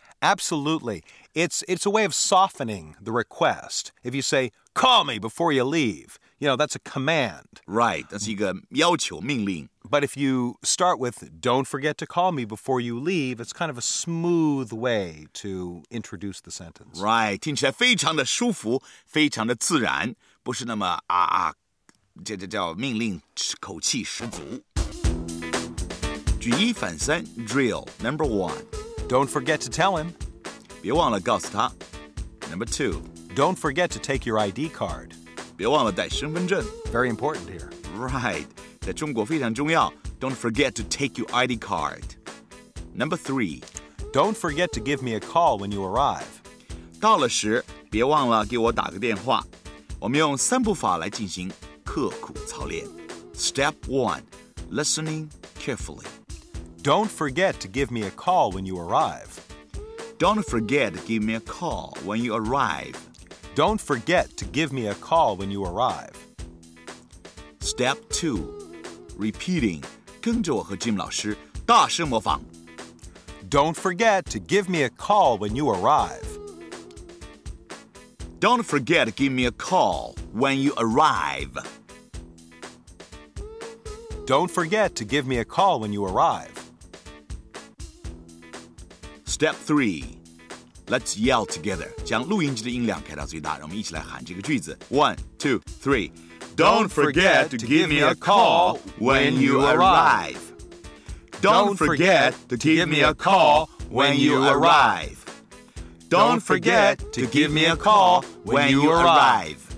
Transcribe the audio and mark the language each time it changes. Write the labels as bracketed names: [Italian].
[English] Absolutely. It's a way of softening the request. If you say, call me before you leave, you know, that's a command. [Chinese] Right, 那是一个要求命令。 [English] But if you start with, don't forget to call me before you leave, it's kind of a smooth way to introduce the sentence. [Chinese] Right, 听起来非常的舒服，非常的自然，不是那么这叫命令口气十足。举一反三 drill, number one. [English] Don't forget to tell him. [Chinese] 别忘了告诉他。 Number two. [English] Don't forget to take your ID card. [Chinese] 别忘了带身份证。 [English] Very important here. Right. 在中国非常重要。 Don't forget to take your ID card. Number three. Don't forget to give me a call when you arrive. [Chinese] 到了时别忘了给我打个电话。我们用三步法来进行刻苦操练。 [English] Step one. Listening carefully. Don't forget to give me a call when you arrive. Don't forget to give me a call when you arrive. Don't forget to give me a call when you arrive. [Chinese] Step 2. Repeating. 跟着我和 Jim 老师大声模仿。 [English] Don't forget to give me a call when you arrive. Don't forget to give me a call when you arrive. Don't forget to give me a call when you arrive. Step 3. Let's yell together. [Chinese] 将录音机的音量开到最大，让我们一起来喊这个句子。 [English] One, two, three. Don't forget to give me a call when you arrive. Don't forget to give me a call when you arrive. Don't forget to give me a call when you arrive.